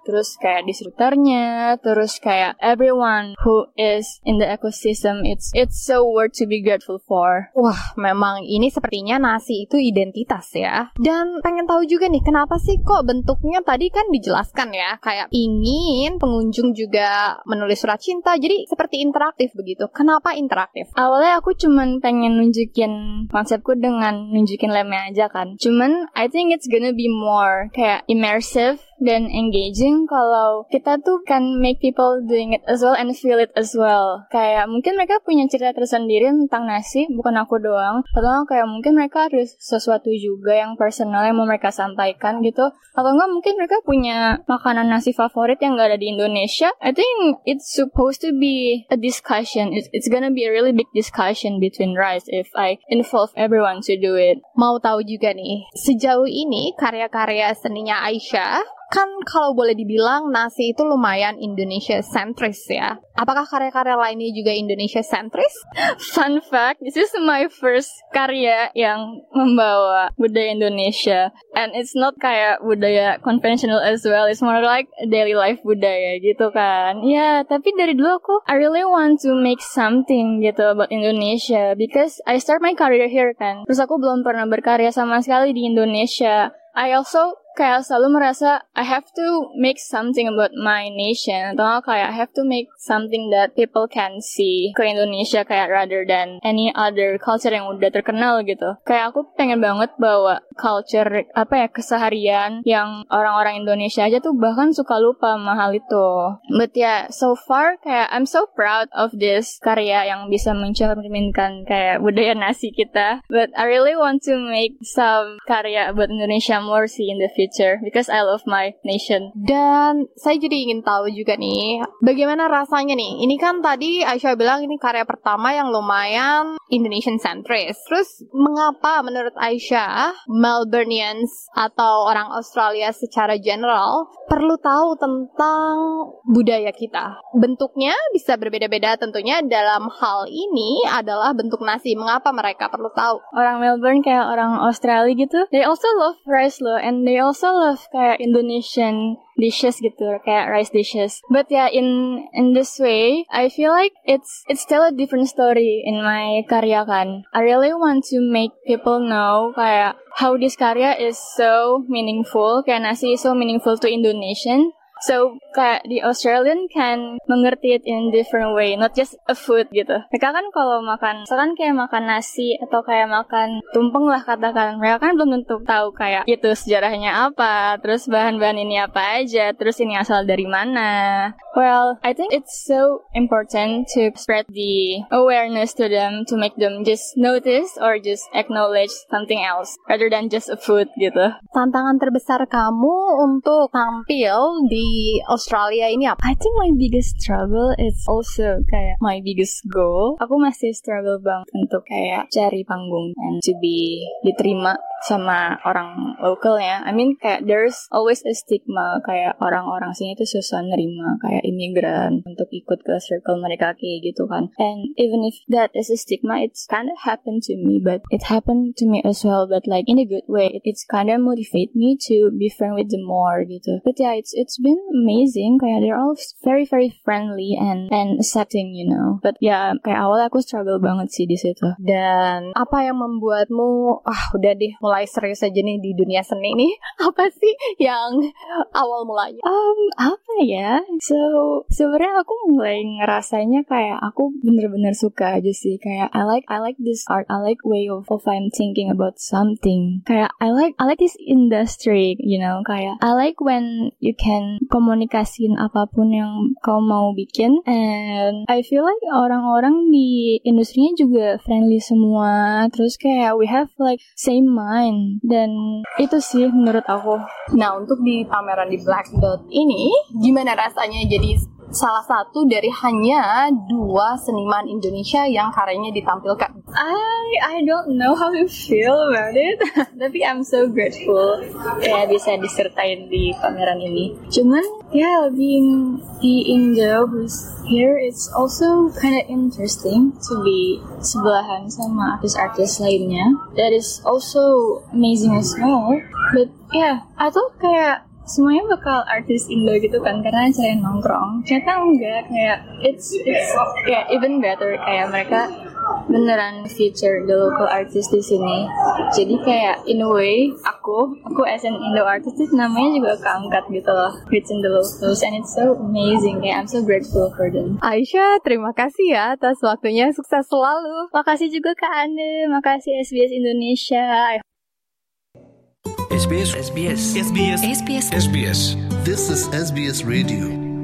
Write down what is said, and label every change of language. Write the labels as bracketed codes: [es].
[id] Terus kayak distributornya, terus kayak [en] everyone who is in the ecosystem, it's so worth to be grateful for. [id] Wah, memang ini sepertinya nasi itu identitas ya. Dan pengen tahu juga nih, kenapa sih kok bentuknya tadi kan dijelaskan ya, kayak ingin pengunjung juga menulis surat cinta, jadi seperti interaktif begitu. Kenapa interaktif? Awalnya aku cuman pengen nunjukin konsepku dengan nunjukin lemnya aja kan. Cuman, [en] I think it's gonna be more [id] kayak [en] immersive [id] dan [en] engaging [id] kalau kita tuh [en] can make people doing it as well and feel it as well. [id] Kayak mungkin mereka punya cerita tersendiri tentang nasi, bukan aku doang. Atau kayak mungkin mereka ada sesuatu juga yang personal yang mau mereka sampaikan gitu. Atau enggak mungkin mereka punya makanan nasi favorit yang enggak ada di Indonesia. [en] I think it's supposed to be a discussion. It's gonna be a really big discussion between Rice if I involve everyone to do it. [id] Mau tahu juga nih, sejauh ini karya-karya seninya Aisyah, kan kalau boleh dibilang nasi itu lumayan Indonesia centris ya. Apakah karya-karya lainnya juga Indonesia centris? [en] Fun fact, this is my first [id] karya yang membawa budaya Indonesia. [en] And it's not [id] kayak budaya [en] conventional as well, it's more like daily life [id] budaya gitu kan. Ya, [en] yeah, [id] tapi dari dulu aku [en] I really want to make something [id] gitu [en] about Indonesia. Because I start my career here [id] kan. Terus aku belum pernah berkarya sama sekali di Indonesia. [en] I also [id] kayak selalu merasa [en] I have to make something about my nation. [id] Atau kayak [en] I have to make something that people can see [id] ke Indonesia kayak [en] rather than any other culture [id] yang udah terkenal gitu. Kayak aku pengen banget bawa culture apa ya, keseharian yang orang-orang Indonesia aja tuh bahkan suka lupa mahal itu. [en] But yeah, so far [id] kayak [en] I'm so proud of this [id] karya yang bisa mencerminkan kayak budaya nasi kita. [en] But I really want to make some karya about Indonesia more see in the future because I love my nation. [id] Dan saya jadi ingin tahu juga nih, bagaimana rasanya nih? Ini kan tadi Aisyah bilang ini karya pertama yang lumayan Indonesian centrist. Terus mengapa menurut Aisyah Melbourneians atau orang Australia secara general perlu tahu tentang budaya kita? Bentuknya bisa berbeda-beda tentunya, dalam hal ini adalah bentuk nasi. Mengapa mereka perlu tahu? Orang Melbourne kayak orang Australia gitu, [en] they also love rice [id] loh, [en] and they also love kayak Indonesian dishes [id] gitu, kayak [en] rice dishes. But yeah, in this way, I feel like it's still a different story in my [id] karya kan. [en] I really want to make people know kayak how this karya is so meaningful, [id] kayak nasi [en] is so meaningful to Indonesian. So [id] kayak [en] the Australian can [id] mengerti [en] it in different way, not just a food [id] gitu. Mereka kan kalau makan, misalkan kayak makan nasi atau kayak makan tumpeng lah katakan, mereka kan belum tentu tahu kayak itu sejarahnya apa, terus bahan-bahan ini apa aja, terus ini asal dari mana. [en] Well, I think it's so important to spread the awareness to them, to make them just notice or just acknowledge something else rather than just a food [id] gitu. Tantangan terbesar kamu untuk tampil di Australia ini apa? [en] I think my biggest struggle is also [id] kayak [en] my biggest goal. [id] Aku masih struggle banget untuk kayak cari panggung [en] and to be [id] diterima sama orang lokal ya. [en] I mean [id] kayak [en] there's always a stigma [id] kayak orang-orang sini tuh susah nerima kayak imigran untuk ikut ke circle mereka kayak gitu kan. [en] And even if that is a stigma, it's kind of happened to me, but it happened to me as well, but like in a good way. It's kind of motivate me to be friend with them more [id] gitu. [en] But yeah, it's been amazing [id] kayak [en] they're all very very friendly and accepting, you know. [id] But yeah, kayak awal aku struggle banget sih di situ. Dan apa yang membuatmu udah deh mulai mulai serius aja nih di dunia seni nih. Apa sih yang awal mulanya? Apa ya? So, sebenarnya aku mulai ngerasanya kayak aku bener-bener suka aja sih. Kayak [en] I like this art. I like way of I'm thinking about something. Kayak I like this industry, you know. [id] Kayak [en] I like when you can [id] komunikasiin apapun yang kau mau bikin. [en] And I feel like [id] orang-orang di industrinya juga friendly semua. Terus kayak [en] we have like same mind. [id] Dan itu sih menurut aku. Nah, untuk di pameran di Black Dot ini, gimana rasanya jadi salah satu dari hanya dua seniman Indonesia yang karyanya ditampilkan? [en] I don't know how you feel about it, [id] tapi [en] I'm so grateful [id] kayak bisa disertain di pameran ini. Cuman, [en] being the who's here, it's also kind of interesting to be [id] sebelahan sama artis-artis lainnya. [en] That is also amazing as well. But yeah, I thought [id] kayak semuanya bakal artis Indo gitu kan, karena saya nongkrong. Ternyata enggak, kayak it's kayak [en] even better, [id] kayak mereka beneran [en] feature the local artist [id] di sini. Jadi kayak [en] in a way [id] aku [en] as an Indo artist [id] namanya juga keangkat gitu loh, [en] reaching the locals, and it's so amazing. [id] Kayak [en] I'm so grateful for them. [id] Aisyah, terima kasih ya atas waktunya, sukses selalu. Makasih juga Kak Ane, makasih SBS Indonesia. [en] SBS. This is SBS Radio.